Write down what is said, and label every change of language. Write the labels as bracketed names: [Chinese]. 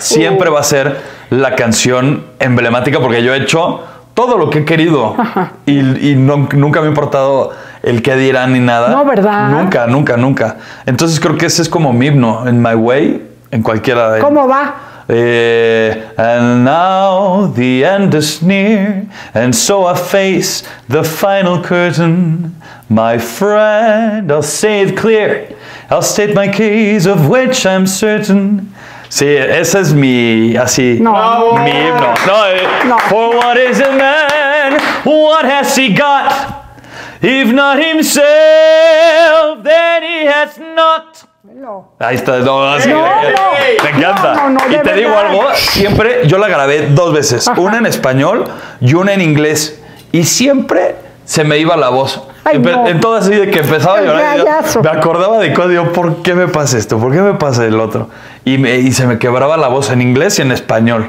[Spanish] Siempre va a ser la canción emblemática porque yo he hecho todo lo que he querido. Ajá. Y no, nunca me ha importado el qué dirán ni nada. No, ¿verdad? Nunca, nunca, nunca. Entonces creo que ese es como mi himno, en My Way, en cualquiera de... ¿Cómo va? [English] And now the end is near, and so I face the final curtain. My friend, I'll say it clear, I'll state my case of which I'm certain. [Spanish] Sí, ese es mi, así, no. Mi himno. No, no. [English] For what is a man? What has he got? If not himself, then he has not. [Spanish] No. Ahí está, no, así, no, no. Te encanta. No, y te digo algo, siempre yo la grabé dos veces, una en español y una en inglés, y siempre se me iba la voz. Ay, no. En todas, así de que empezaba a llorar, me acordaba de cosas, digo, ¿por qué me pasa esto? ¿Por qué me pasa el otro? Y se me quebraba la voz en inglés y en español.